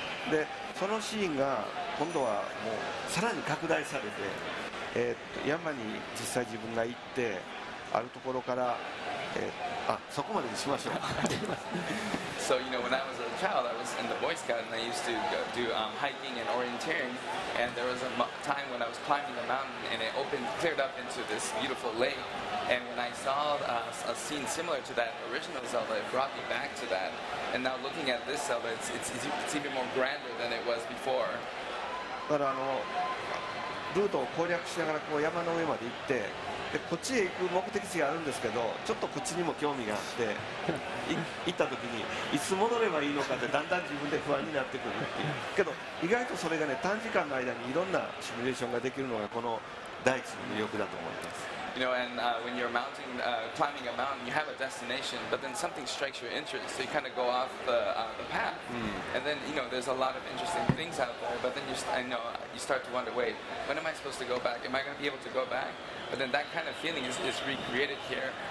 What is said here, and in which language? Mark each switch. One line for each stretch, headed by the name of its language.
Japanese: でそのシーンが今度はもうさらに拡大されて、山に実際自分が行って、あるところから、そこまでにしましょう。
English: So, you know, when I was a child, I was in the Boy Scout, and I used to do hiking and orienteering. And there was a time when I was climbing the mountain, and it opened, cleared up into this beautiful lake. And when I saw a scene similar to that original Zelda, it brought me back to that. And now looking at this Zelda, it's even more grander than it was before.
Japanese: But, ルートを攻略しながらこう山の上まで行って、でこっちへ行く目的地があるんですけど、ちょっとこっちにも興味があって、行った時にいつ戻ればいいのかってだんだん自分で不安になってくるっていう。けど意外とそれがね、短時間の間にいろんなシミュレーションができるのがこの大地の魅力だと思います。
English: You know, and when you're mounting, climbing a mountain, you have a destination, but then something strikes your interest, so you kind of go off the path. Mm. And then, you know, there's a lot of interesting things out there, but then you start to wonder, wait, when am I supposed to go back? Am I going to be able to go back? But then that kind of feeling is recreated here.